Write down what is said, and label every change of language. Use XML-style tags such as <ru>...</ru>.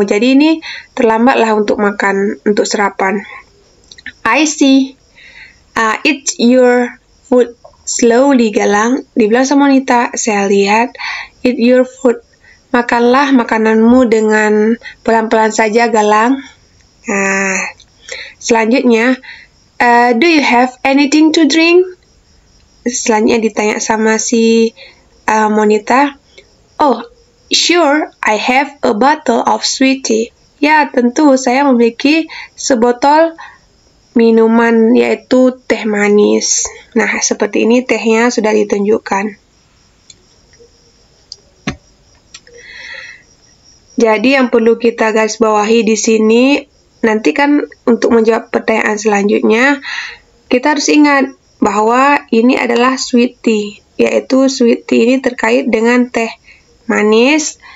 <id>Jadi, ini terlambatlah untuk makan, untuk sarapan.</id> <en>I see. Eat your food slowly, Galang.</en> <id>Dibilang sama Monita, saya lihat.</id> <en>Eat your food.</en> <id>Makanlah makananmu dengan pelan-pelan saja, Galang.</id> <en>Selanjutnya, do you have anything to drink?</en> <id>Selanjutnya ditanya sama si Monita.</id> <en>Oh, sure, I have a bottle of sweet tea.</en> <id>Ya, tentu, saya memiliki sebotol minuman yaitu teh manis. Nah, seperti ini tehnya sudah ditunjukkan. Jadi yang perlu kita garis bawahi di sini, nanti kan untuk menjawab pertanyaan selanjutnya, kita harus ingat bahwa ini adalah sweet tea, yaitu sweet tea ini terkait dengan teh manis.</id>